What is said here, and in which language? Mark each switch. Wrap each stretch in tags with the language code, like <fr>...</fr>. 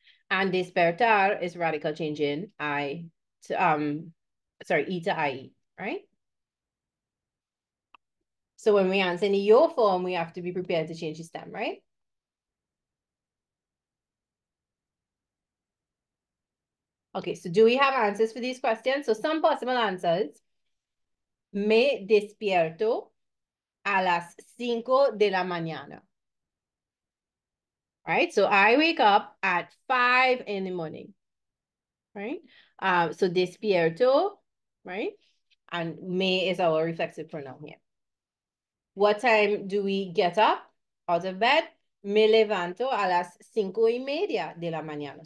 <en>And despertar is radical change in I to sorry, E to IE, right? So when we answer in the yo form, we have to be prepared to change the stem, right? Okay, so do we have answers for these questions? So some possible answers.</en> <es>Me despierto a las cinco de la mañana.</es> <en>Right? So I wake up at 5 in the morning. Right? So despierto, right? And me is our reflexive pronoun here. What time do we get up out of bed?</en> <es>Me levanto a las cinco y media de la mañana.</es>